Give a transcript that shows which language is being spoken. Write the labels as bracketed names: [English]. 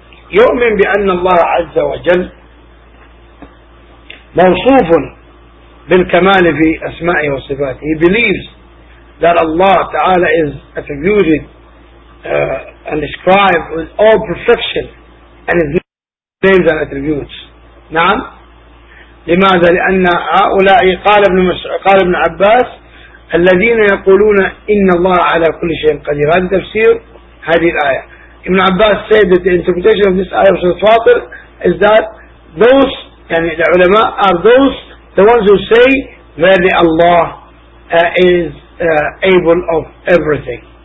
[Arabic] فيؤمن بأن الله عز وجل موصوف بالكمال في أسمائه وصفاته. [English] He believes that Allah Ta'ala is attributed and described with all perfection and his names and attributes. [Arabic] نعم. لماذا؟ لأن هؤلاء قال ابن عباس الذين يقولون إن الله على كل شيء قدير. هذا تفسير هذه الآية. [English] ابن عباس said that the interpretation of this ayah of Surah Fatir is that those, [Arabic] يعني العلماء, [English] are those the ones who say that Allah is able of everything.